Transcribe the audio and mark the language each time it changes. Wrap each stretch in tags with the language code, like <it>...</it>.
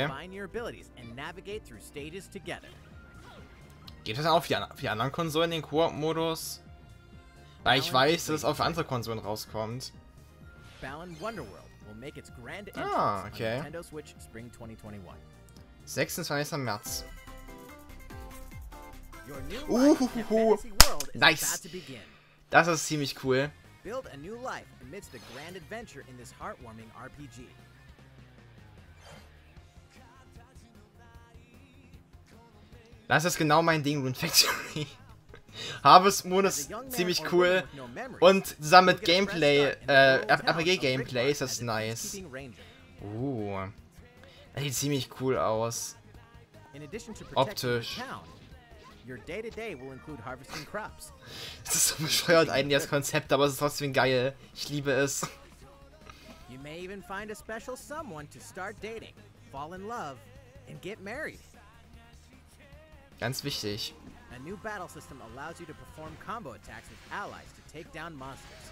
<en>Combine your abilities and navigate through stages together.</en> <de>Geht das auch für die anderen Konsolen in den Koop-Modus? Weil ich weiß, dass es auch für andere Konsolen rauskommt.</de> <en>Balan Wonderworld will make its grand entrance okay. On Nintendo Switch Spring 2021.</en> <de>26. März.</de> <en>Your new life is about to begin.</en> <de>Das ist ziemlich cool.</de> <en>Build a new life amidst the grand adventure in this heartwarming RPG.</en> <de>Das ist genau mein Ding, Rune Factory. Harvest Moon ist ziemlich cool. Und zusammen mit Gameplay, RPG-Gameplay ist das nice. Das sieht ziemlich cool aus. Optisch.</de> <en>Your day-to-day will include harvesting crops.</en> <de>Das ist so bescheuert eigentlich das Konzept, aber es ist trotzdem geil. Ich liebe es.</de> <en>You may even find a special someone to start dating, fall in love, and get married.</en> <de>Ganz wichtig. A</de> <en>A new battle system allows you to perform combo attacks with allies to take down monsters.</en>